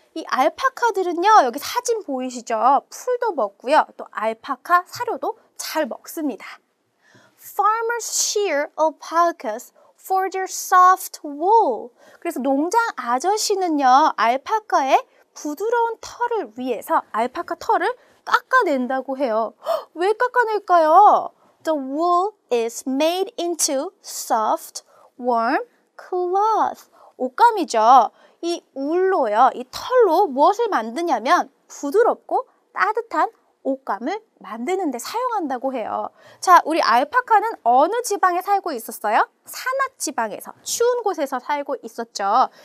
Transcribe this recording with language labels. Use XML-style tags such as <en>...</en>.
<ko>이 알파카들은요, 여기 사진 보이시죠? 풀도 먹고요, 또 알파카 사료도 잘 먹습니다.</ko> <en>Farmers shear alpacas for their soft wool.</en> <ko>그래서 농장 아저씨는요, 알파카의 부드러운 털을 위해서 알파카 털을 깎아낸다고 해요. 왜 깎아낼까요?</ko> <en>The wool is made into soft, warm cloth.</en> <ko>옷감이죠. 이 울로요, 이 털로 무엇을 만드냐면 부드럽고 따뜻한 옷감을 만드는 데 사용한다고 해요. 자, 우리 알파카는 어느 지방에 살고 있었어요? 산악 지방에서, 추운 곳에서 살고 있었죠.</ko>